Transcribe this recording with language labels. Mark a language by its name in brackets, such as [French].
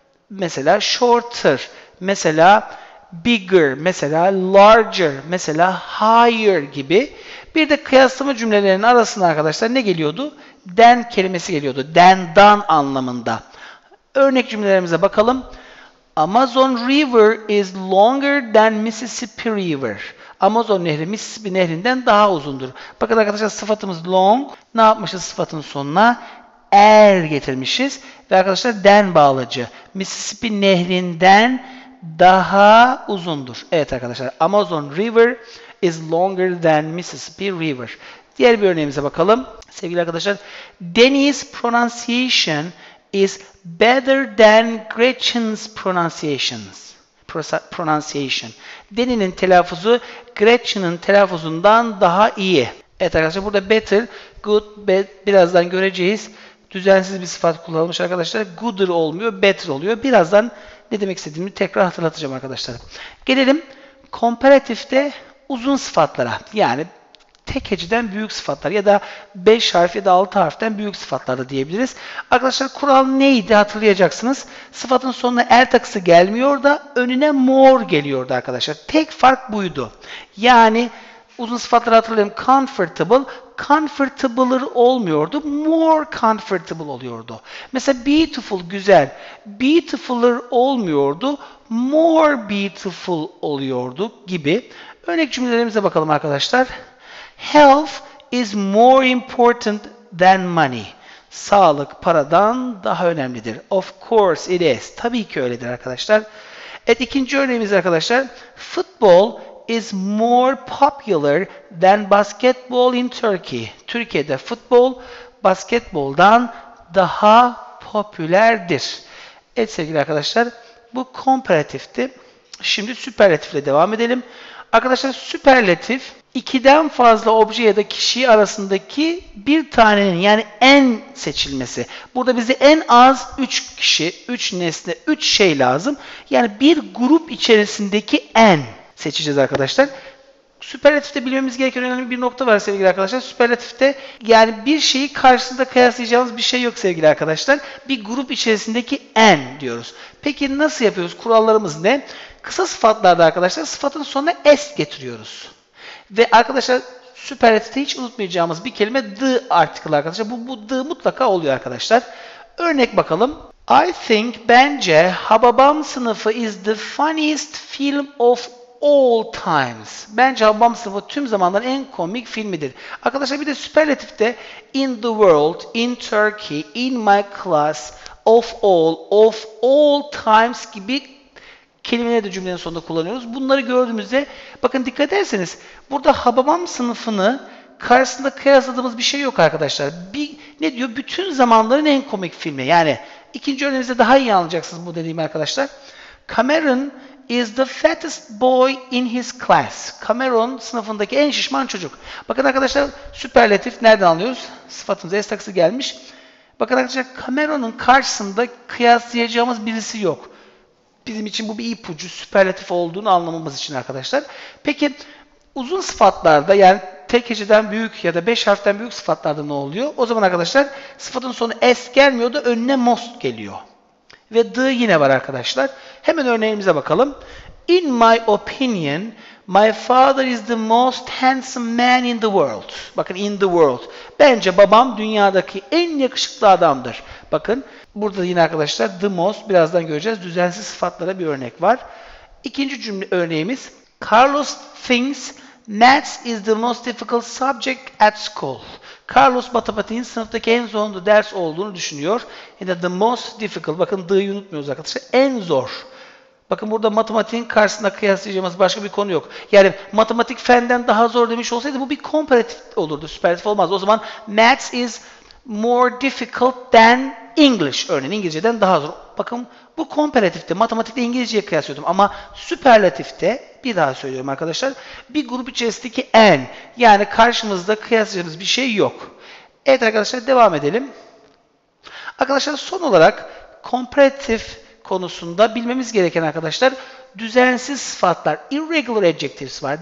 [Turkish] Mesela shorter, mesela bigger, mesela larger, mesela higher gibi. Bir de kıyaslama cümlelerinin arasında arkadaşlar ne geliyordu? Than kelimesi geliyordu. Than, done anlamında. Örnek cümlelerimize bakalım. [English] Amazon River is longer than Mississippi River. [Turkish] Amazon nehri Mississippi nehrinden daha uzundur. Bakın arkadaşlar sıfatımız long. Ne yapmışız sıfatın sonuna? er getirmişiz. Ve arkadaşlar den bağlacı. Mississippi nehrinden daha uzundur. Evet arkadaşlar, [English] Amazon River is longer than Mississippi River. [Turkish] Diğer bir örneğimize bakalım. Sevgili arkadaşlar, [English] Denny's pronunciation is better than Gretchen's pronunciations. Pronunciation. [Turkish] Denny'nin telaffuzu Gretchen'ın telaffuzundan daha iyi. Evet arkadaşlar, burada better, good, bad birazdan göreceğiz. Düzensiz bir sıfat kullanılmış arkadaşlar. Gooder olmuyor, better oluyor. Birazdan ne demek istediğimi tekrar hatırlatacağım arkadaşlar. Gelelim comparative'de uzun sıfatlara. Yani tek heceden büyük sıfatlar ya da 5 harf ya da 6 harften büyük sıfatlarda diyebiliriz. Arkadaşlar kural neydi hatırlayacaksınız. Sıfatın sonuna el takısı gelmiyor da önüne more geliyordu arkadaşlar. Tek fark buydu. Yani uzun sıfatları hatırlayalım. Comfortable, comfortabler olmuyordu. More comfortable oluyordu. Mesela beautiful, güzel. Beautifuler olmuyordu. More beautiful oluyordu gibi. Örnek cümlelerimize bakalım arkadaşlar. [English] Health is more important than money. [Turkish] Sağlık paradan daha önemlidir. [English] Of course it is. [Turkish] Tabii ki öyledir arkadaşlar. Evet, ikinci örneğimiz arkadaşlar. [English] Football is more popular than basketball in Turkey. [Turkish] Türkiye'de futbol basketboldan daha popülerdir. Evet sevgili arkadaşlar, bu comparative'ti. Şimdi süperlatifle devam edelim. Arkadaşlar süperlatif, ikiden fazla obje ya da kişi arasındaki bir tanenin, yani en seçilmesi. Burada bize en az 3 kişi, 3 nesne, 3 şey lazım. Yani bir grup içerisindeki en seçeceğiz arkadaşlar. Süperlatifte bilmemiz gereken önemli bir nokta var sevgili arkadaşlar. Süperlatifte yani bir şeyi karşısında kıyaslayacağımız bir şey yok sevgili arkadaşlar. Bir grup içerisindeki en diyoruz. Peki nasıl yapıyoruz? Kurallarımız ne? Kısa sıfatlarda arkadaşlar sıfatın sonuna s getiriyoruz. Ve arkadaşlar süperlatifte hiç unutmayacağımız bir kelime the article arkadaşlar. Bu the mutlaka oluyor arkadaşlar. Örnek bakalım. [English] I think, [Turkish] bence, [English] Hababam Sınıfı is the funniest film of all times. [Turkish] Bence Hababam Sınıfı tüm zamanların en komik filmidir. Arkadaşlar bir de süperlatifte in the world, in Turkey, in my class, of all times gibi kelimeleri de cümlenin sonunda kullanıyoruz. Bunları gördüğümüzde bakın dikkat ederseniz burada Hababam Sınıfı'nı karşısında kıyasladığımız bir şey yok arkadaşlar. Bir, ne diyor? Bütün zamanların en komik filmi. Yani ikinci örneğimizde daha iyi anlayacaksınız bu dediğimi arkadaşlar. [English] Cameron is the fattest boy in his class. [Turkish] Cameron sınıfındaki en şişman çocuk. Bakın arkadaşlar süperlatif nereden anlıyoruz? Sıfatımız S takısı gelmiş. Bakın arkadaşlar Cameron'un karşısında kıyaslayacağımız birisi yok. Bizim için bu bir ipucu, süperlatif olduğunu anlamamız için arkadaşlar. Peki uzun sıfatlarda, yani tek heceden büyük ya da 5 harften büyük sıfatlarda ne oluyor? O zaman arkadaşlar sıfatın sonu S gelmiyor da önüne most geliyor. Ve the yine var arkadaşlar. Hemen örneğimize bakalım. [English] In my opinion, my father is the most handsome man in the world. [Turkish] Bakın [English] in the world. [Turkish] Bence babam dünyadaki en yakışıklı adamdır. Bakın burada yine arkadaşlar the most, birazdan göreceğiz. Düzensiz sıfatlara bir örnek var. İkinci cümle örneğimiz. [English] Carlos thinks maths is the most difficult subject at school. [Turkish] Carlos matematiğin sınıftaki en zorlu ders olduğunu düşünüyor. Yani the most difficult. Bakın the'yi unutmuyoruz arkadaşlar. En zor. Bakın burada matematiğin karşısında kıyaslayacağımız başka bir konu yok. Yani matematik fenden daha zor demiş olsaydı bu bir komparatif olurdu. Süperlatif olmaz. O zaman [English] maths is more difficult than English. [Turkish] Örneğin İngilizce'den daha zor. Bakın bu komparatifte matematikte İngilizce'ye kıyaslıyordum. Ama süperlatifte bir daha söylüyorum arkadaşlar. Bir grup içerisindeki en. Yani karşımızda kıyaslayacağımız bir şey yok. Evet arkadaşlar devam edelim. Arkadaşlar son olarak komparatif konusunda bilmemiz gereken arkadaşlar düzensiz sıfatlar, irregular adjectives var.